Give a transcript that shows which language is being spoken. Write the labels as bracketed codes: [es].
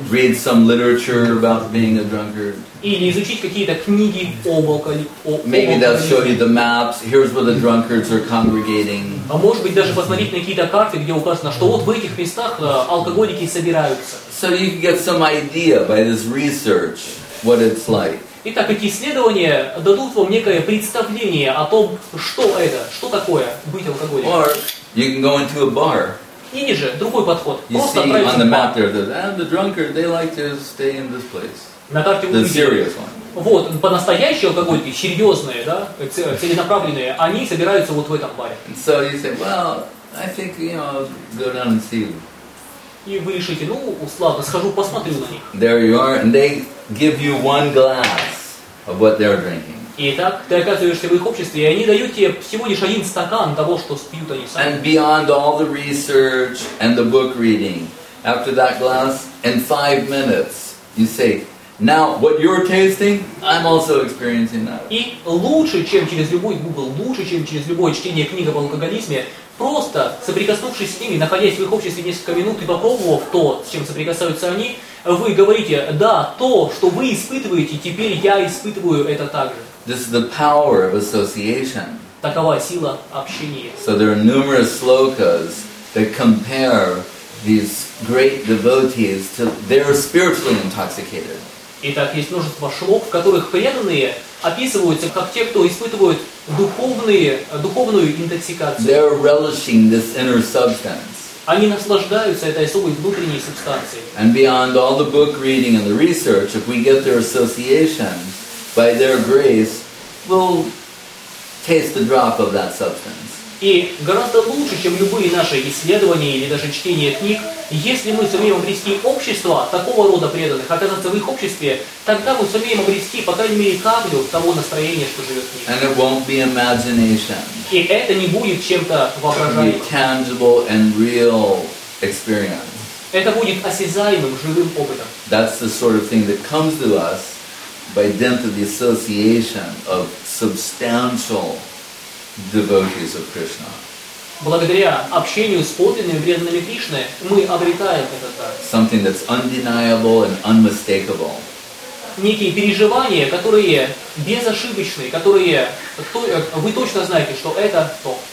[en] Read some literature about being a drunkard. [ru] Или изучить какие-то книги об алкоголизме. [en] Maybe they'll show you the maps. Here's where the drunkards are congregating. [ru] А может быть даже посмотреть на какие-то карты, где указано, что вот в этих местах алкоголики собираются. [en] So you can get some idea by this research what it's like. [ru] Итак, эти исследования дадут вам некое представление о том, что это, что такое быть алкоголиком. [en] Or you can go into a bar. [ru] Или же другой подход. [en] You [ru] просто [en] see on the map there that the drunkard they like to stay in this place. [ru] На карте [en] the serious one. [ru] Вот по-настоящему алкоголики, серьезные, да, целенаправленные, они собираются вот в этом баре. [en] So you say, well, I think you know, I'll go down and see them. [ru] И вы решите, ну, ладно, схожу, посмотрю на них. [en] There you are, and they give you one glass of what they're drinking. [ru] Итак, ты оказываешься в их обществе, и они дают тебе всего лишь один стакан того, что пьют они сами. [en] And beyond all the research and the book reading, after that glass, in 5 minutes, you say, now what you're tasting, I'm also experiencing that. [ru] И лучше, чем через любой Google, лучше, чем через любое чтение книг об алкоголизме, просто соприкоснувшись с ними, находясь в их обществе несколько минут и попробовав то, с чем соприкасаются они, вы говорите, да, то, что вы испытываете, теперь я испытываю это так же. [en] This is the power of association. [ru] Такова сила общения. [en] So there are numerous slokas that compare these great devotees to they're spiritually intoxicated. [ru] Итак, есть множество шлок, в которых преданные описываются как те, кто испытывают духовную интоксикацию. [en] They're relishing this inner substance. [ru] Они наслаждаются этой особой внутренней субстанцией. [en] And beyond all the book reading and the research, if we get their association by their grace, we'll taste the drop of that substance. [ru] И гораздо лучше, чем любые наши исследования или даже чтение книг, если мы сумеем обрести общество такого рода преданных, оказаться в их обществе, тогда мы сумеем обрести, по крайней мере, каплю того настроения, что живет в них. [en] And it won't be imagination. [ru] И это не будет чем-то воображаемым. [en] It'll be tangible and real experience. [ru] Это будет осязаемым, живым опытом. [en] That's the sort of thing that comes to us by dint of the association of substantial devotees of Krishna. [ru] Благодаря общению с подлинными преданными Кришны мы обретаем это так. [en] Something that's undeniable and unmistakable. [ru] Некие переживания, которые безошибочные, которые вы точно знаете, что это то.